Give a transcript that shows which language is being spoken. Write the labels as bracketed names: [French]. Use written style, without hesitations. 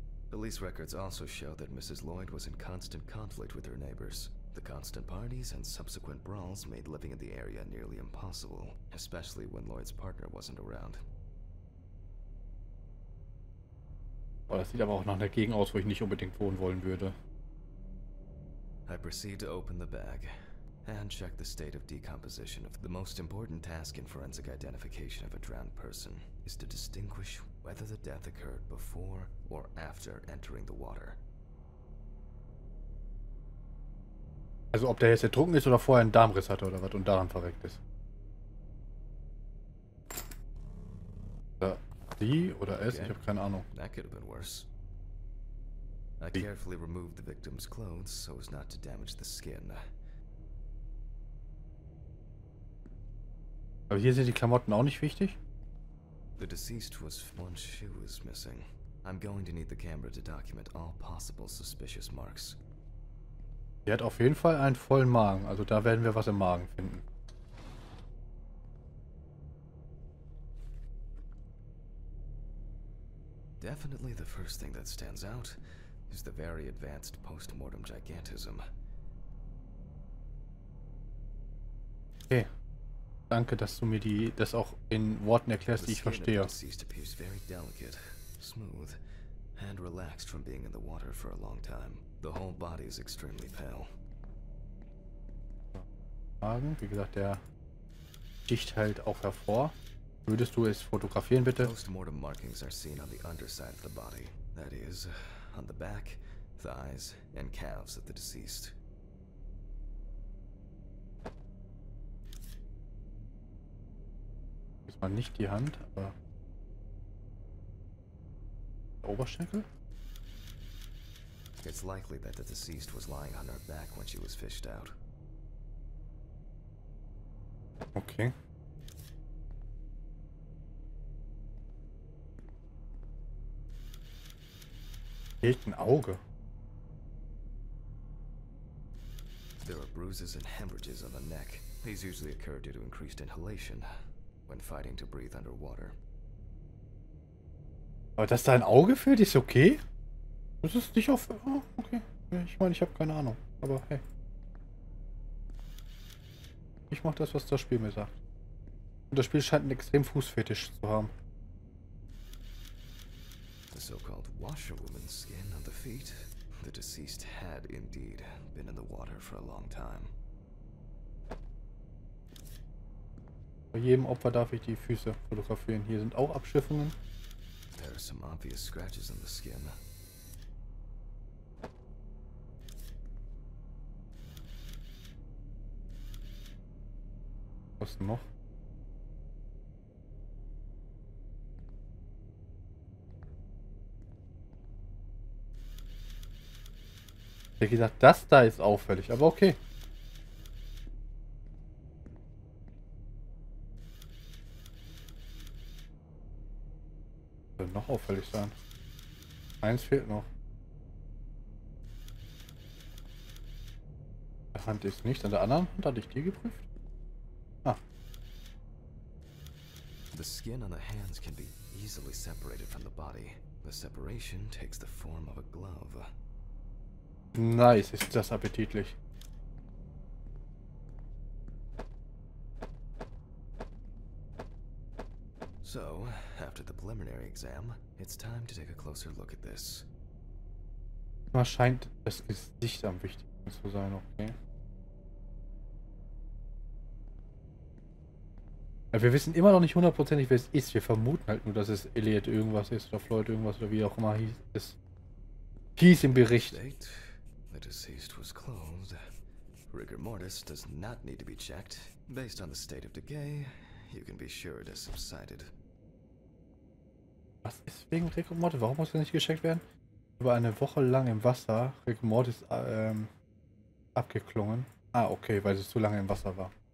[English] Police records also show that Mrs. Lloyd was in constant conflict with her neighbors. The constant parties and subsequent brawls made living in the area nearly impossible, especially when Lloyd's partner wasn't around. [German] Oh, das sieht aber auch nach einer Gegend aus, wo ich nicht unbedingt wohnen wollen würde. [English] I proceed to open the bag and check the state of decomposition. The most important task in forensic identification of a drowned person is to distinguish whether the death occurred before or after entering the water. [German] Also ob der jetzt ertrunken ist oder vorher einen Darmriss hatte oder was und daran verreckt ist. Oder sie oder es, okay. Ich habe keine Ahnung. [English] That could have been worse. I carefully removed the victim's clothes so as not to damage the skin. [German] Aber hier sind die Klamotten auch nicht wichtig. [English] The deceased was one shoe is missing. I'm going to need the camera to document all possible suspicious marks. [German] Sie hat auf jeden Fall einen vollen Magen, also da werden wir was im Magen finden. [English] Definitely the first thing that stands out is the very advanced postmortem gigantism. Okay. [German] Danke, dass du mir das auch in Worten erklärst, die ich verstehe. [English] The deceased appears very delicate, smooth, and relaxed from being in the water for a long time. The whole body is extremely pale. [German] Magen, wie gesagt, der sticht halt auch hervor. Würdest du es fotografieren, bitte? [English] Postmortem markings are seen on the underside of the body. That is, on the back, thighs, and calves of the deceased. [German] Ist mal nicht die Hand, aber der Oberschenkel? [English] It's likely that the deceased was lying on her back when she was fished out. Okay. [German] Fehlt ein Auge. [English] There are bruises and hemorrhages on the neck. These usually occur due to increased inhalation when fighting to breathe underwater. [German] Aber dass da ein Auge fehlt, ist okay. Das ist nicht auf. Oh, okay. Ja, ich meine, ich habe keine Ahnung. Aber hey. Ich mache das, was das Spiel mir sagt. Und das Spiel scheint einen extrem Fußfetisch zu haben. [English] The so-called washerwoman's skin on the feet. The deceased had indeed been in the water for a long time. [German] Bei jedem Opfer darf ich die Füße fotografieren. Hier sind auch Abschiffungen. [English] There are some obvious scratches on the skin. [German] Was noch? Wie gesagt, das da ist auffällig, aber okay. Könnte noch auffällig sein. Eins fehlt noch. Der Hand ist nicht. An der anderen Hand hatte ich die geprüft. Ah. [English] The skin on the hands can be easily separated from the body. The separation takes the form of a glove. [German] Nice, ist das appetitlich. [English] So, after the preliminary exam, it's time to take a closer look at this. [German] Man scheint das Gesicht am wichtigsten zu sein, okay. Ja, wir wissen immer noch nicht hundertprozentig, wer es ist. Wir vermuten halt nur, dass es Elliot irgendwas ist oder Floyd irgendwas oder wie auch immer hieß es. Hieß im Bericht. [English] The deceased was closed. Rigor mortis does not need to be checked. Based on the state of decay, you can be sure it has subsided. [German] Was ist wegen Rigor mortis? Warum muss er nicht gecheckt werden? Über eine Woche lang im Wasser Rigor mortis abgeklungen. Ah, okay, weil es zu lange im Wasser war.